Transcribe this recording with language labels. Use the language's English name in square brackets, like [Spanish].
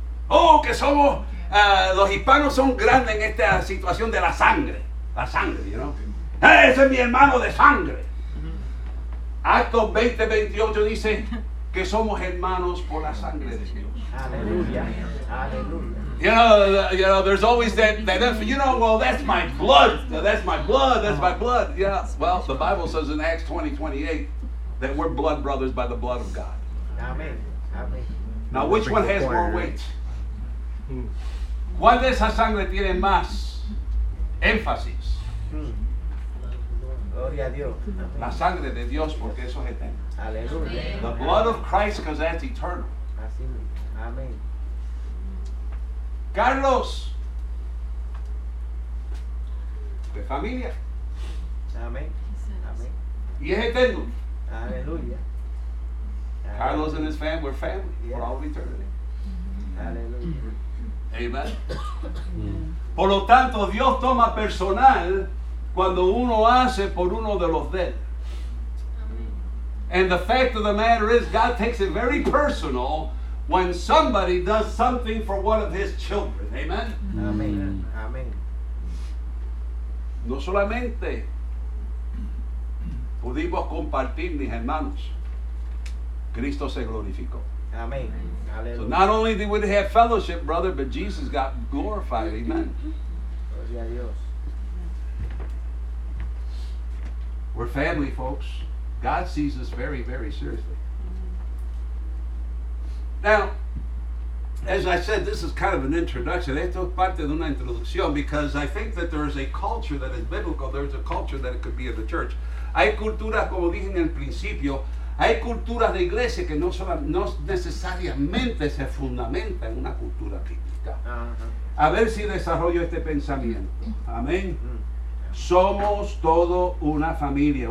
[Spanish] Oh, que somos, los hispanos son grandes en esta situación de la sangre. La sangre, [English] you know. [Spanish] Hey, ese es mi hermano de sangre. Actos 20, 28 dice que somos hermanos por la sangre de Dios. Aleluya. Aleluya. [English] You know, there's always that, you know, well, that's my blood. That's my blood. That's my blood. Yeah. Well, the Bible says in Acts 20, 28, that we're blood brothers by the blood of God. Amen. Amen. Now, which one has more weight? [Spanish] ¿Cuál de esas sangre tiene más énfasis? Gloria a Dios. La sangre de Dios, porque eso es eterno. Aleluya. [English] The blood of Christ, because that's eternal. Amen. [Spanish] Carlos, de familia. Amén. Amén. Y es eterno. Aleluya. [English] Carlos and his family, we're family for all eternity. [Spanish] Aleluya. [English] Amen. [Spanish] Por lo tanto, Dios toma personal cuando uno hace por uno de los de él. [English] And the fact of the matter is, God takes it very personal when somebody does something for one of his children. Amen. Amen. Amen. [Spanish] No solamente pudimos compartir, mis hermanos, Cristo se glorificó. [English] Amen. So not only did we have fellowship, brother, but Jesus got glorified. Amen. [Spanish] Gloria a Dios. [English] We're family, folks. God sees us very, very seriously. Now, as I said, this is kind of an introduction. [Spanish] Esto es parte de una introducción, [English] because I think that there is a culture that is biblical. There is a culture that it could be in the church. [Spanish] Hay culturas, como dije en el principio, hay culturas de iglesia que no necesariamente se fundamenta en una cultura bíblica. A ver si desarrollo este pensamiento. Amén. Somos todo una familia.